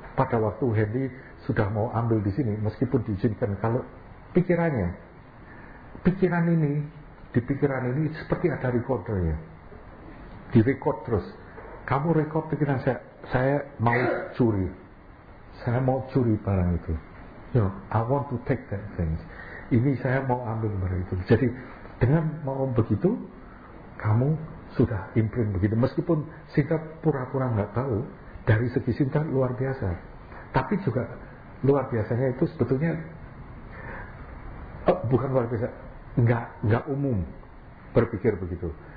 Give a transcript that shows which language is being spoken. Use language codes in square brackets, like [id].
[id] Pada waktu Hendy sudah mau ambil di sini, meskipun diizinkan, kalau pikirannya, pikiran ini, di pikiran ini seperti ada recordernya. Direkod terus. Kamu rekod pikiran saya mau curi. Saya mau curi barang itu. [en] You know, I want to take that things. [id] Ini saya mau ambil barang itu. Jadi dengan mau begitu, kamu sudah imprint begitu. Meskipun Sinta pura-pura nggak tahu, dari segi Sinta luar biasa. Tapi juga luar biasanya itu sebetulnya bukan luar biasa, nggak umum berpikir begitu.